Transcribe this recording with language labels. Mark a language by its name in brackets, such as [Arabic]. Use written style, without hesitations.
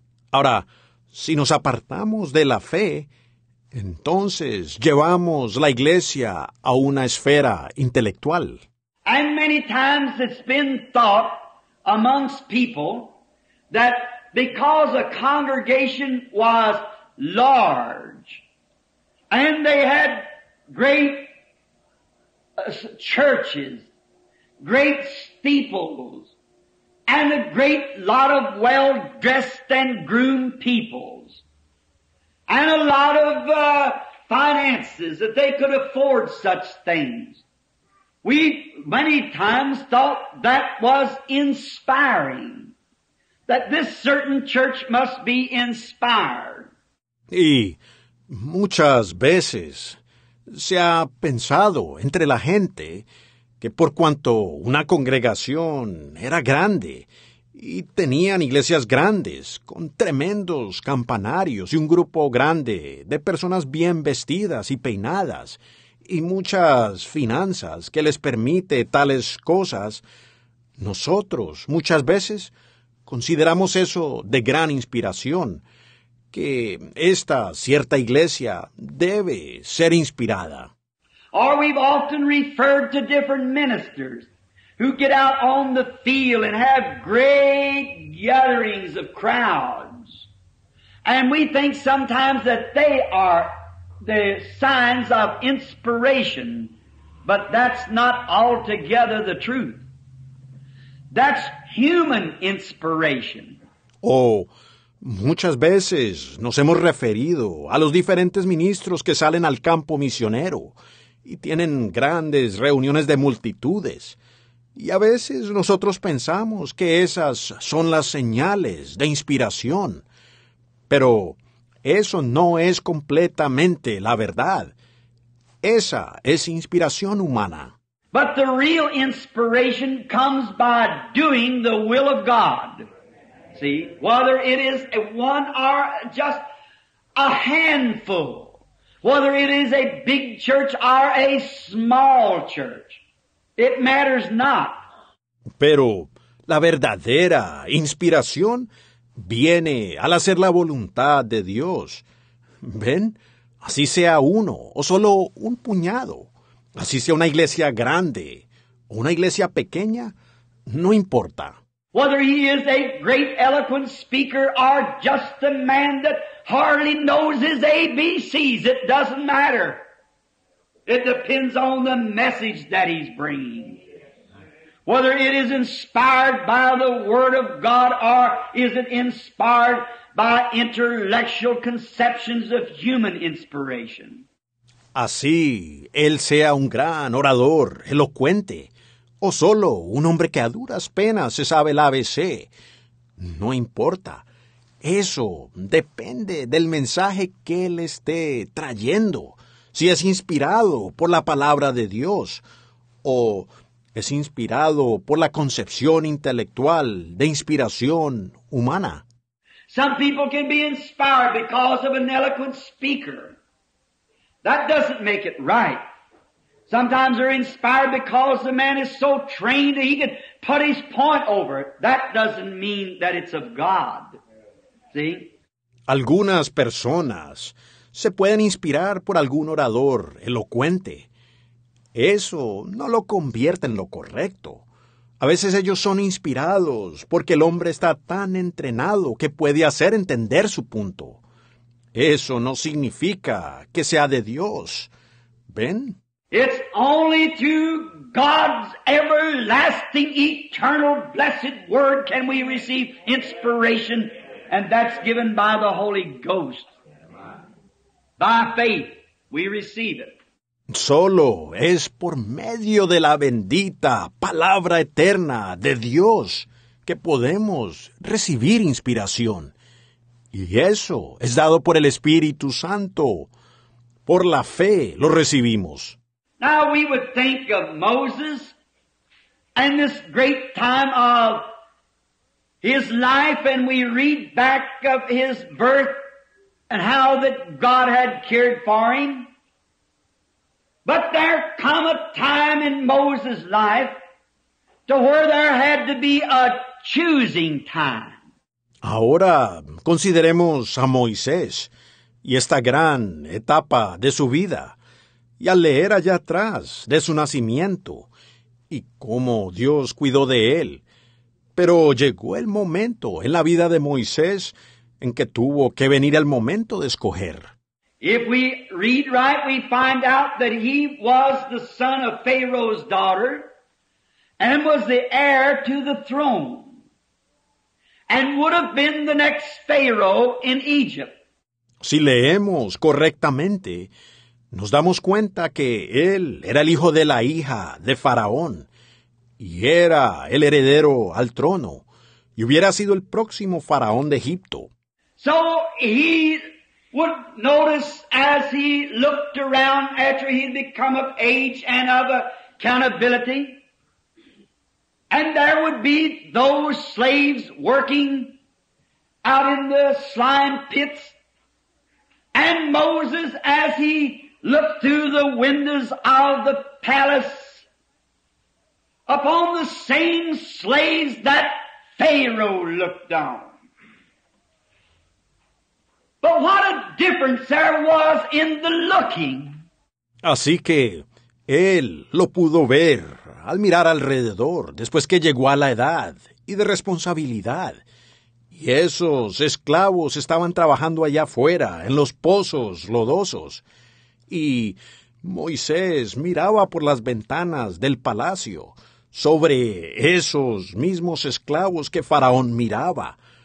[Spanish] Ahora, si nos apartamos de la fe, entonces llevamos la iglesia a una esfera intelectual. [English] And many times it's been thought amongst people that because a congregation was large and they had great churches, great steeples, and a great lot of well-dressed and groomed peoples, and a lot of finances, that they could afford such things. We many times thought that was inspiring, that this certain church must be inspired. [Spanish] Y muchas veces se ha pensado entre la gente que por cuanto una congregación era grande y tenían iglesias grandes con tremendos campanarios y un grupo grande de personas bien vestidas y peinadas y muchas finanzas que les permite tales cosas, nosotros muchas veces consideramos eso de gran inspiración, que esta cierta iglesia debe ser inspirada. [English] Or we've often referred to different ministers who get out on the field and have great gatherings of crowds. And we think sometimes that they are the signs of inspiration, but that's not altogether the truth. That's human inspiration. [Spanish] Oh, muchas veces nos hemos referido a los diferentes ministros que salen al campo misionero y tienen grandes reuniones de multitudes. Y a veces nosotros pensamos que esas son las señales de inspiración. Pero eso no es completamente la verdad. Esa es inspiración humana. [English] But the real inspiration comes by doing the will of God. See, whether it is one or just a handful. Whether it is a big church or a small church, it matters not. [Spanish] Pero la verdadera inspiración viene al hacer la voluntad de Dios. ¿Ven? Así sea uno o solo un puñado. Así sea una iglesia grande o una iglesia pequeña, no importa. [English] Whether he is a great eloquent speaker or just a man that hardly knows his ABCs, it doesn't matter. It depends on the message that he's bringing. Whether it is inspired by the Word of God or is it inspired by intellectual conceptions of human inspiration. [Spanish] Así, él sea un gran orador, elocuente, o solo un hombre que a duras penas se sabe el ABC, no importa. Eso depende del mensaje que él esté trayendo, si es inspirado por la palabra de Dios o es inspirado por la concepción intelectual de inspiración humana. [English] Some people can be inspired because of an eloquent speaker. That doesn't make it right. Sometimes they're inspired because the man is so trained that he can put his point over it. That doesn't mean that it's of God. See? [Spanish] Algunas personas se pueden inspirar por algún orador elocuente. Eso no lo convierte en lo correcto. A veces ellos son inspirados porque el hombre está tan entrenado que puede hacer entender su punto. Eso no significa que sea de Dios. ¿Ven? [English] It's only through God's everlasting, eternal, blessed Word can we receive inspiration, and that's given by the Holy Ghost. By faith, we receive it. [Spanish] Solo es por medio de la bendita palabra eterna de Dios que podemos recibir inspiración. Y eso es dado por el Espíritu Santo. Por la fe lo recibimos. [English] Now we would think of Moses and this great time of his life, and we read back of his birth and how that God had cared for him. But there come a time in Moses' life to where there had to be a choosing time. [Spanish] Ahora consideremos a Moisés y esta gran etapa de su vida. Y al leer allá atrás de su nacimiento y cómo Dios cuidó de él. Pero llegó el momento en la vida de Moisés en que tuvo que venir el momento de escoger. [English] If we read right, we find out that he was the son of Pharaoh's daughter and was the heir to the throne and would have been the next Pharaoh in Egypt. [Spanish] Si leemos correctamente, nos damos cuenta que él era el hijo de la hija de Faraón y era el heredero al trono y hubiera sido el próximo faraón de Egipto. [English] So he would notice as he looked around after he'd become of age and of accountability, and there would be those slaves working out in the slime pits, and Moses as he looked through the windows of the palace upon the same slaves that Pharaoh looked on. But what a difference there was in the looking. [Spanish] Así que él lo pudo ver al mirar alrededor después que llegó a la edad y de responsabilidad. Y esos esclavos estaban trabajando allá afuera en los pozos lodosos. Y Moisés miraba por las ventanas del palacio sobre esos mismos esclavos que Faraón miraba.